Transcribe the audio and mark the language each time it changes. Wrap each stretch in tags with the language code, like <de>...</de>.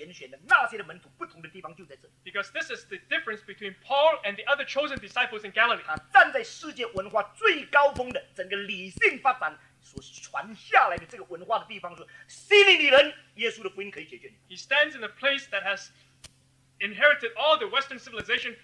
<zh>因为保罗和其他加利利被拣选的那些的门徒不同的地方就在这,</zh> <en>because this is the difference between Paul and the other chosen disciples in Galilee.</en> <zh>他站在世界文化最高峰的, 整个理性发展所传下来的这个文化的地方说, 希利尼人, 耶稣的福音可以解决你。</zh> <en>He stands in a place that has inherited all the Western civilization.</en>